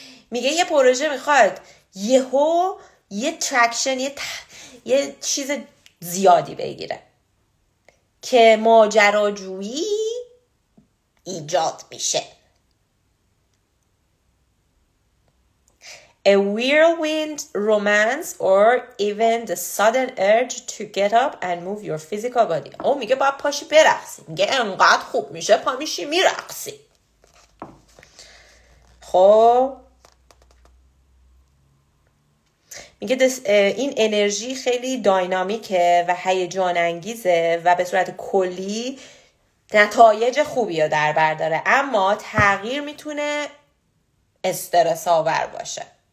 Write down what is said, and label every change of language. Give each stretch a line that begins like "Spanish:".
Persian: میگه یه پروژه میخواد یهو یه تراکشن، یه چیز زیادی بگیره که ماجراجویی ایجاد میشه.
English: A whirlwind romance or even the sudden urge to get up and move your physical body.
Persian: او میگه باید پاشی برقصی. میگه انقدر خوب میشه پا میشی میرقصی. خب میگه این انرژی خیلی داینامیکه و هیجان انگیزه و به صورت کلی نتایج خوبی رو در بر داره، اما تغییر میتونه استرس آور باشه.